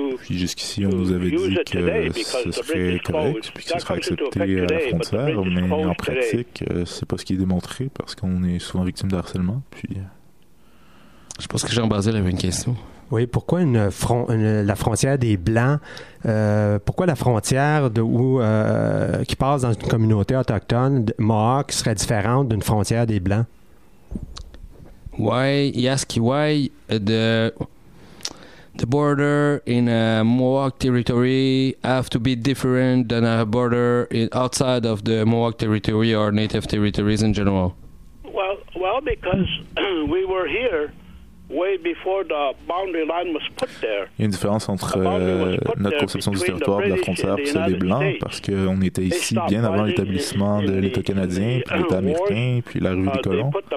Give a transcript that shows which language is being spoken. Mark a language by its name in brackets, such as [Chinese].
[French] Jusqu'ici, on nous avait dit que ce serait correct, puis que ce serait accepté à la frontière, mais en pratique, c'est pas ce qui est démontré, parce qu'on est souvent victime de harcèlement. Puis... Je pense que Jean-Basile avait une question. Oui, pourquoi la frontière des Blancs, pourquoi la frontière qui passe dans une communauté autochtone, Mohawk, serait différente d'une frontière des Blancs? [English] Why the border in a Mohawk territory have to be different than a border outside of the Mohawk territory or native territories in general? Well, because we were here way before the boundary line was put there. [French] Il y a une différence entre notre conception du territoire de la frontière et celle des Blancs, parce qu'on était ici bien avant l'établissement de l'État canadien, puis l'État américain, puis l'arrivée des colons.